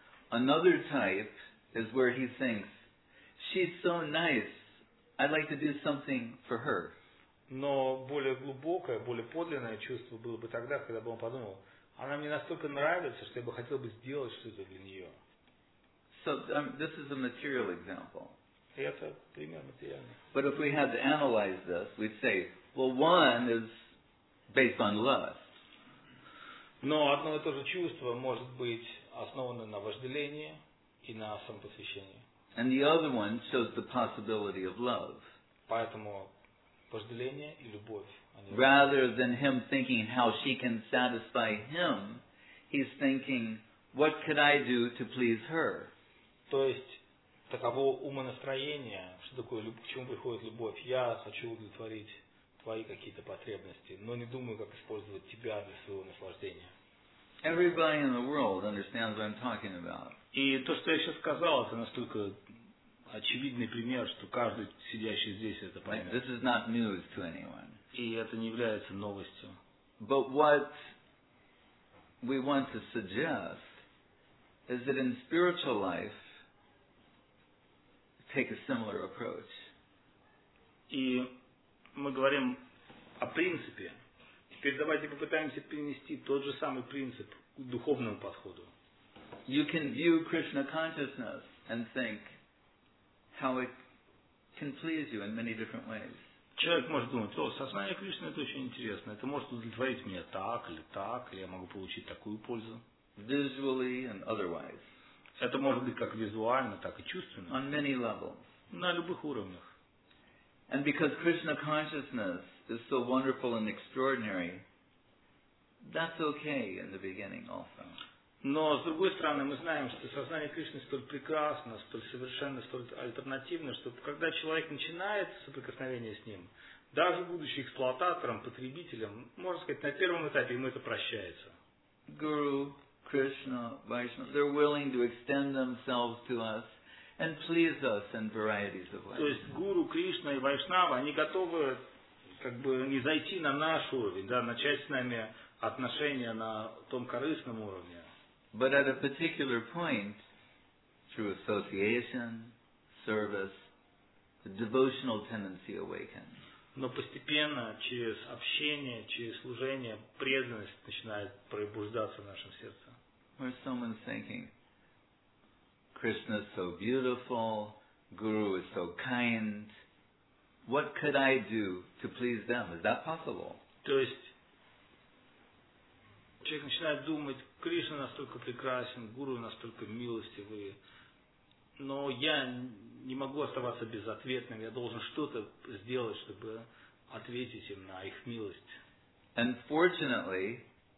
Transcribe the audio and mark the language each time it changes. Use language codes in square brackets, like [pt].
[en] Another type is where he thinks, she's so nice, I'd like to do something for her. [ru] Но более глубокое, более подлинное чувство было бы тогда, когда бы он подумал, она мне настолько нравится, что я бы хотел бы сделать что-то для нее. [en] So, this is a material example. [ru] Это пример материальный. [en] But if we had to analyze this, we'd say, well, one is based on lust. [ru] Но одно и то же чувство может быть основано на вожделении и на самопосвящении. [en] And the other one shows the possibility of love. [ru] Поэтому вожделение и любовь. [en] Rather than him thinking how she can satisfy him, he's thinking, what could I do to please her? [ru] То есть, таково умонастроение, что такое, к чему приходит любовь. Я хочу удовлетворить твои какие-то потребности, но не думаю, как использовать тебя для своего наслаждения. [en] Everybody in the world understands what I'm talking about. [ru] И то, что я сейчас сказал, это настолько очевидный пример, что каждый сидящий здесь это поймет. [en] Like, this is not news to anyone. [ru] И это не является новостью. [en] But what we want to suggest is that in spiritual life take a similar approach. [ru] И мы говорим о принципе. Теперь давайте попытаемся перенести тот же самый принцип к духовному подходу. [en] You can view Krishna consciousness and think how it can please you in many different ways. [ru] Человек может думать, о, сознание Кришны это очень интересно. Это может удовлетворить меня так, или я могу получить такую пользу. [en] Visually and otherwise. [ru] Это может быть как визуально, так и чувственно. [en] On many levels. [ru] На любых уровнях. [en] And because Krishna consciousness is so wonderful and extraordinary, that's okay in the beginning also. [ru] Но, с другой стороны, мы знаем, что сознание Кришны столь прекрасно, столь совершенно, столь альтернативно, что когда человек начинает соприкосновение с ним, даже будучи эксплуататором, потребителем, можно сказать, на первом этапе ему это прощается. [en] Guru, Krishna, Vaishnava, they're willing to extend themselves to us and please us in varieties of ways. [ru] То есть Гуру, Кришна и Вайшнава, они готовы как бы не зайти на наш уровень, да, начать с нами отношения на том корыстном уровне. [en] But at a particular point, through association, service, the devotional tendency awakens. [ru] Но постепенно, через общение, через служение, преданность начинает пробуждаться в нашем сердце. [en] Or someone's thinking, Krishna is so beautiful, Guru is so kind, what could I do to please them? Is that possible? [ru] То есть, человек начинает думать, Кришна настолько прекрасен, Гуру настолько милостивый, но я не могу оставаться безответным, я должен что-то сделать, чтобы ответить им на их милость.